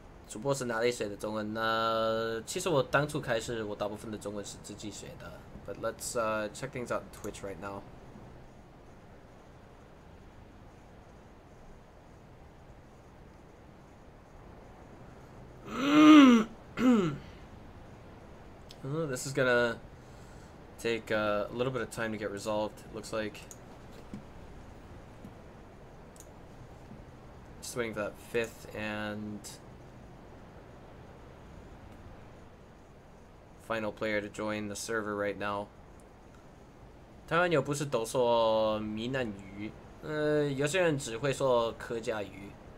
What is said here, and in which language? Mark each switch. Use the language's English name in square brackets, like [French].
[Chinese] 主播是哪里学的中文呢？其实我当初开始，我大部分的中文是自己学的。 [English] But let's check things out on Twitch right now. This is gonna take a little bit of time to get resolved, it looks like. Just waiting for that fifth and final player to join the server right now. [Chinese] 台湾友不是都说闽南语，有些人只会说客家语。